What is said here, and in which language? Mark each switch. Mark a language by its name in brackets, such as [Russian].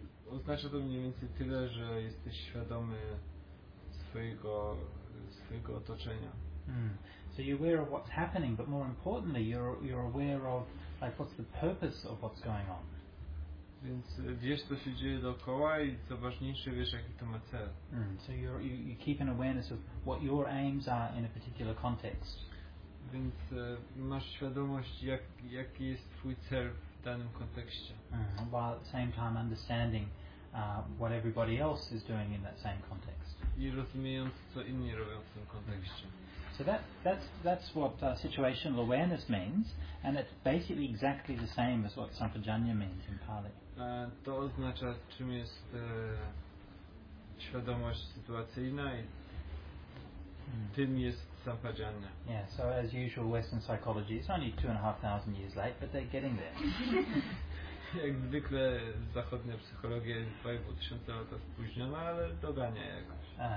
[Polish] Oznacza to mniej więcej tyle, że jesteś świadomy swojego otoczenia. Mm. [English] So you're aware of what's happening, but more importantly, you're aware of like what's the purpose of what's going on. [Polish] Więc wiesz, co się dzieje dookoła, i co ważniejsze, wiesz, jaki to ma cel. Mm. [English] So you keep an awareness of what your aims are in a particular context. [Polish] Więc masz świadomość, jaki jest twój cel w danym kontekście. Mm. [English] While at the same time understanding what everybody else is doing in that same context. [Polish] I rozumiejąc, co inni robią w tym kontekście. Mm. [English] So that's what situational awareness means, and it's basically exactly the same as what sampajanya means in Pali. [Polish] To oznacza, czym jest świadomość sytuacyjna, i tym jest sampajanya. [English] Yeah, so as usual, Western psychology is only 2,500 years late, but they're getting there. [Polish] Jak zwykle, zachodnia psychologia jest 2,500 lat spóźniona, ale dogania jakoś.